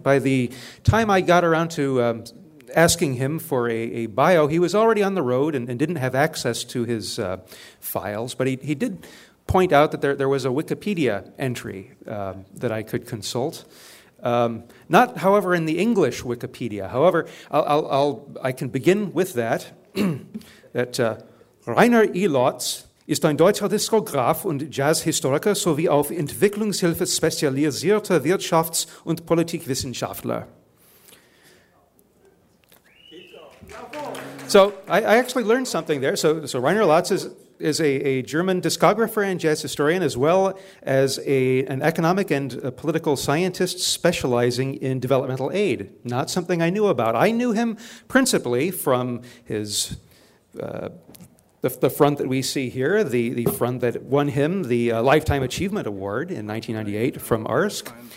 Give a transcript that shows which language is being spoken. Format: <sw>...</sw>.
<en>By the time I got around to asking him for a bio, he was already on the road and didn't have access to his files, but he did point out that there was a Wikipedia entry that I could consult. Not, however, in the English Wikipedia. However, I can begin with that, that</en> <de>Rainer Ilotz ist ein deutscher Diskograf und Jazzhistoriker sowie auf Entwicklungshilfe spezialisierter Wirtschafts- und Politikwissenschaftler.</de> <en>So I actually learned something there. So Rainer Ilotz is a German discographer and jazz historian, as well as an economic and a political scientist specializing in developmental aid. Not something I knew about. I knew him principally from his the front that we see here, the front that won him the Lifetime Achievement Award in 1998 from ARSC.</en>